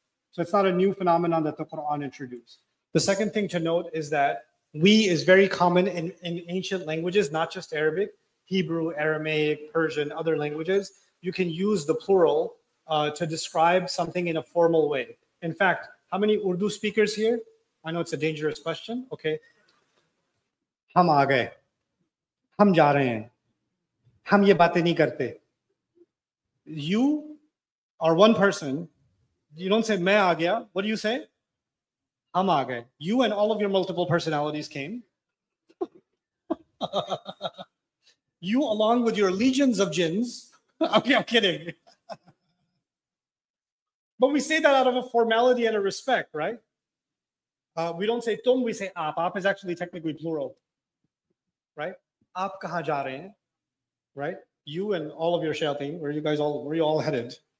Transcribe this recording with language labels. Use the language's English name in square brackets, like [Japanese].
[English] So it's not a new phenomenon that the Quran introduced. The second thing to note is that we is very common in ancient languages, not just Arabic, Hebrew, Aramaic, Persian, other languages. You can use the plural to describe something in a formal way. In fact, how many Urdu speakers here? I know it's a dangerous question. Okay. [Urdu] ہم آگے. ہم جا رہے ہیں. ہم یہ باتیں نہیں کرتے. [English] You are one person. You don't say [Urdu] میں آ گیا. [English] What do you say? [Urdu] ہم آ گئے. [English] You and all of your multiple personalities came. You along with your legions of jinns. Okay, I'm kidding. But we say that out of a formality and a respect, right? We don't say tum, we say aap. Aap is actually technically plural, right? [Urdu] آپ کہاں جا رہے ہیں, right? [English] You and all of your shayateen, where are you all headed?